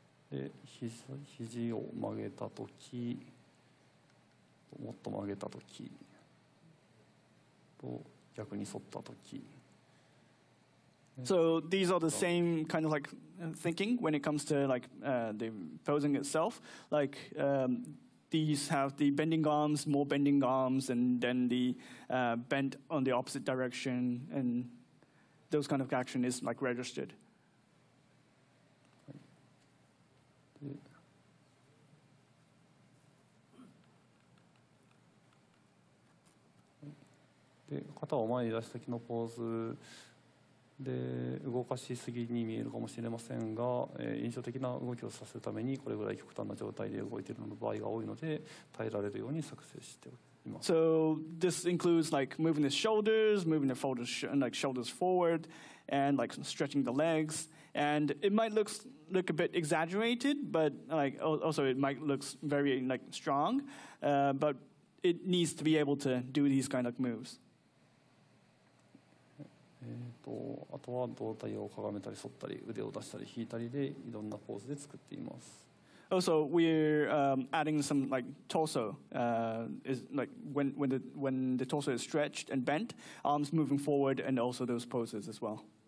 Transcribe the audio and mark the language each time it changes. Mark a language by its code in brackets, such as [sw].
[ja] で、肘を曲げたとき、もっと曲げたときと逆に反ったとき。 [en] So these are the same kind of like thinking when it comes to like the posing itself. Like these have the bending arms, more bending arms, and then the bent on the opposite direction, and those kind of action is like registered. [ja] で、肩を前に出した時のポーズ。で、動かしすぎに見えるかもしれませんが、印象的な動きをさせるためにこれぐらい極端な状態で動いているの場合が多いので耐えられるように作成しております。 [en] So this includes like moving the shoulders, moving the folders, like shoulders forward, and like stretching the legs. And it might look a bit exaggerated, but like also it might look very like strong, but it needs to be able to do these kind of moves. [ja] あとは胴体をかがめたり反ったり腕を出したり引いたりでいろんなポーズで作っています。 [en] Also we're adding some like torso is like when the torso is stretched and bent, arms moving forward and also those poses as well.